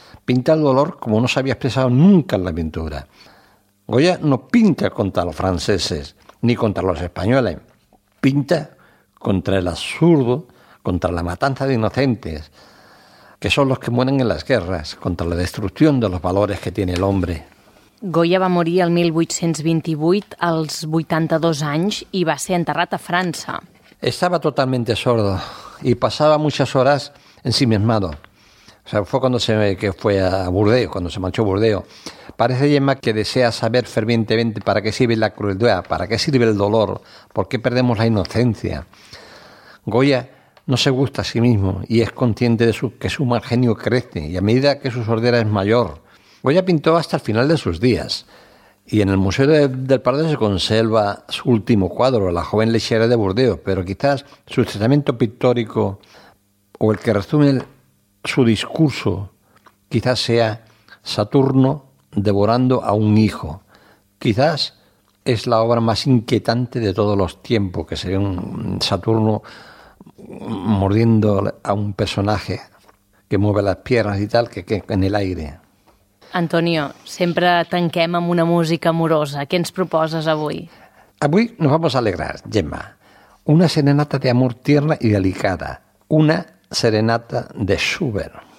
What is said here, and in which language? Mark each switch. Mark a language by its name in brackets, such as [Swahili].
[Spanish] Pinta el dolor como no se había expresado nunca en la pintura. Goya no pinta contra los franceses ni contra los españoles. Pinta contra el absurdo, contra la matanza de inocentes, que son los que mueren en las guerras, contra la destrucción de los valores que tiene el hombre. [Catalan] Goya va morir el 1828, als 82 anys, i va ser enterrat a França. Estava totalment sordo i passava moltes hores ensimismado. [Spanish] O sea, fue cuando se marchó a Burdeos. Parece, Gemma, que desea saber fervientemente para qué sirve la crueldad, para qué sirve el dolor, por qué perdemos la inocencia. Goya no se gusta a sí mismo y es consciente de que su mal genio crece y a medida que su sordera es mayor. Goya pintó hasta el final de sus días y en el Museo del Prado se conserva su último cuadro, La joven lechera de Burdeos, pero quizás su tratamiento pictórico o el que resume su discurso quizás sea Saturno devorando a un hijo. Quizás es la obra más inquietante de todos los tiempos, que sería un Saturno mordiendo a un personaje que mueve las piernas y tal, que en el aire. [Catalan] Antonio, sempre tanquem amb una música amorosa. Què ens proposes avui? [Spanish] Avui nos vamos a alegrar, Gemma. Una serenata de amor tierna y delicada. Una serenata de Schubert.